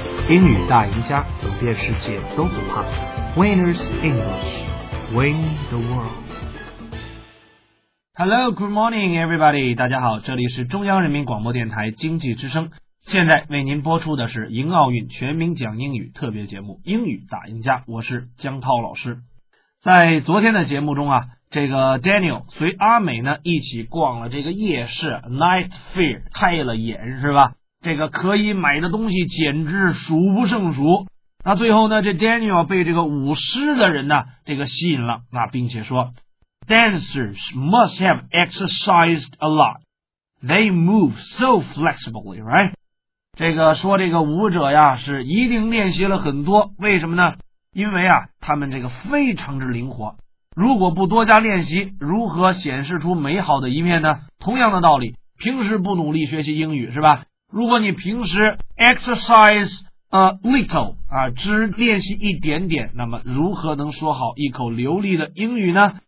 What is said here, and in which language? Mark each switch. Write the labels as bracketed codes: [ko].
[zh] 英语大赢家，走遍世界都不怕。 [en] Winners English, win the world. Hello, good morning, everybody. [zh] 大家好，这里是中央人民广播电台经济之声。现在为您播出的是迎奥运全民讲英语特别节目《英语大赢家》，我是江涛老师。在昨天的节目中啊，这个 Daniel 随阿美呢一起逛了这个夜市 Night Fair， 开了眼是吧？这个可以买的东西简直数不胜数。那最后呢，这 Daniel 被这个舞狮的人呢这个吸引了，那并且说 ， [en] Dancers must have exercised a lot. They move so flexibly, right? [zh] 这个说这个舞者呀是一定练习了很多，为什么呢？因为啊他们这个非常之灵活，如果不多加练习，如何显示出美好的一面呢？同样的道理，平时不努力学习英语是吧，如果你平时 [en] exercise a little [zh] 啊，只练习一点点，那么如何能说好一口流利的英语呢？